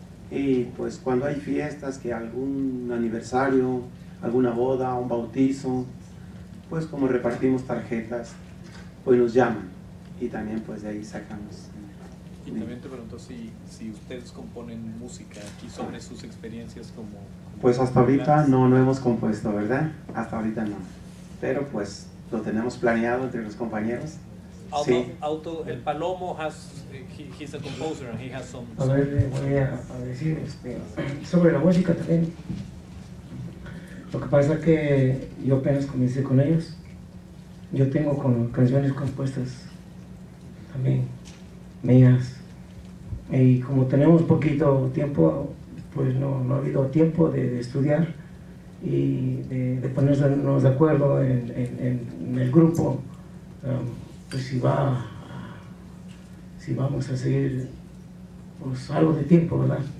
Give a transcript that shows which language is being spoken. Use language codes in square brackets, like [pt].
[es] Y pues cuando hay fiestas, que algún aniversario, alguna boda, un bautizo, pues como repartimos tarjetas, pues nos llaman y también pues de ahí sacamos. Y también te pregunto si ustedes componen música aquí sobre sus experiencias como... Pues hasta ahorita no hemos compuesto, ¿verdad? Hasta ahorita no. Pero pues lo tenemos planeado entre los compañeros. Auto, sí. [en] El Palomo he's a composer and he has some... [es] A ver, voy a decir sobre la música también. Lo que pasa es que yo apenas comencé con ellos. Yo tengo con canciones compuestas también. Mías. Y como tenemos poquito tiempo, pues no ha habido tiempo de estudiar y de ponernos de acuerdo en el grupo, pues si vamos a seguir pues algo de tiempo, ¿verdad?